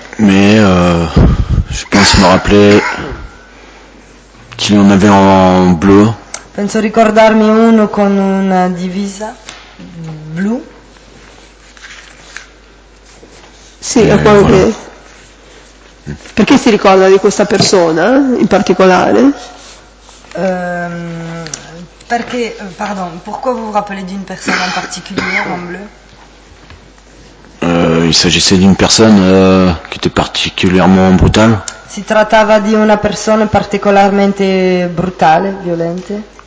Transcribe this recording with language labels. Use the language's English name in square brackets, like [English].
[French] Mais je pense me rappeler qu'il y en avait en bleu. [Italian] Penso ricordarmi uno con una divisa blu. Sì, a qualche. Voilà. Perché si ricorda di questa persona in particolare? [French] Perché, pardon, pourquoi vous vous rappelez d'une personne en particulier en bleu? Il s'agissait d'une personne qui était particulièrement brutale. [Italian] Si trattava di una persona particolarmente brutale, violente.